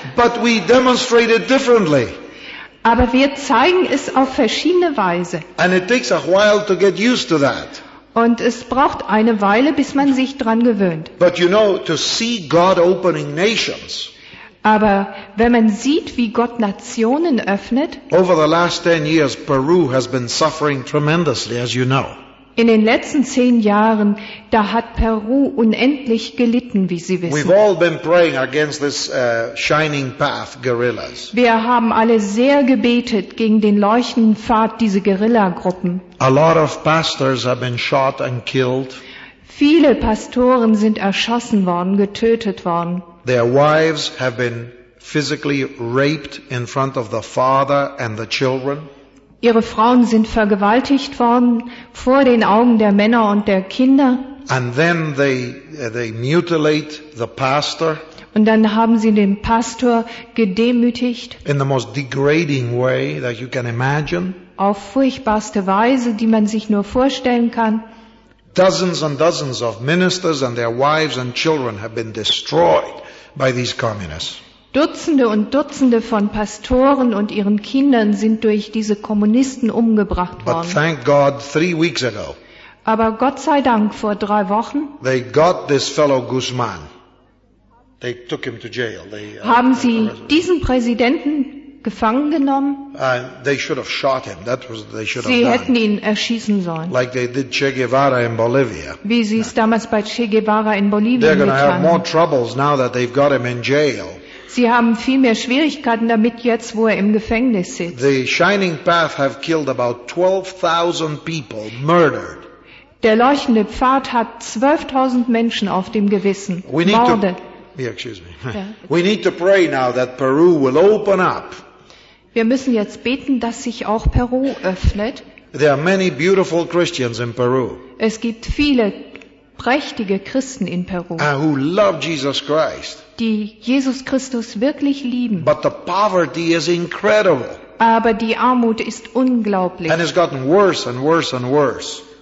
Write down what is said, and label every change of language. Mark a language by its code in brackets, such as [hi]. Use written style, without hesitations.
[en] But we demonstrate it differently. [de] Aber wir zeigen es auf verschiedene Weise. [en] And it takes a while to get used to that. [de] Und es braucht eine Weile, bis man sich dran gewöhnt. [en] But you know, to see God opening nations. [de] Aber wenn man sieht, wie Gott Nationen öffnet, [en] over the last 10 years, Peru has been suffering tremendously, as you know. [de] In den letzten 10 Jahren, da hat Peru unendlich gelitten, wie Sie wissen. [en] We've all been praying against this shining path, guerrillas. [de] Wir haben alle sehr gebetet gegen den leuchtenden Pfad, diese Guerillagruppen. [en] A lot of pastors have been shot and killed. [de] Viele Pastoren sind erschossen worden, getötet worden. [en] Their wives have been physically raped in front of the father and the children. [de] Ihre Frauen sind vergewaltigt worden vor den Augen der Männer und der Kinder. [en] And then they mutilate the pastor. [de] Und dann haben sie den Pastor gedemütigt. [en] In the most degrading way that you can imagine. [de] Auf furchtbarste Weise, die man sich nur vorstellen kann. [en] Dozens and dozens of ministers and their wives and children have been destroyed by these communists. [de] Dutzende und Dutzende von Pastoren und ihren Kindern sind durch diese Kommunisten umgebracht worden. [en] But thank God, 3 weeks ago, [de] aber Gott sei Dank, vor 3 Wochen, [en] they got this fellow Guzman. They took him to jail. [de] Haben sie diesen Präsidenten gefangen genommen? [en] They should have shot him. That was, they should [de] sie [en] have [de] hätten ihn erschießen sollen. [en] Like they did Che Guevara in Bolivia. [de] Wie sie es damals bei Che Guevara in Bolivien getan haben. [en] They're going to have more troubles now that they've got him in jail. [de] Sie haben viel mehr Schwierigkeiten damit jetzt, wo er im Gefängnis sitzt. [en] The Shining Path have killed about 12,000 people, murdered. [de] Der leuchtende Pfad hat 12,000 Menschen auf dem Gewissen, [en] We need to pray now that Peru will open up. [de] Wir müssen jetzt beten, dass sich auch Peru öffnet. [en] There are many beautiful Christians in Peru. [de] Es gibt viele prächtige Christen in Peru, [en] who love Jesus Christ, [de] die Jesus Christus wirklich lieben. [en] But the poverty is incredible. [de] Aber die Armut ist unglaublich. [en] And it's gotten worse and worse and worse.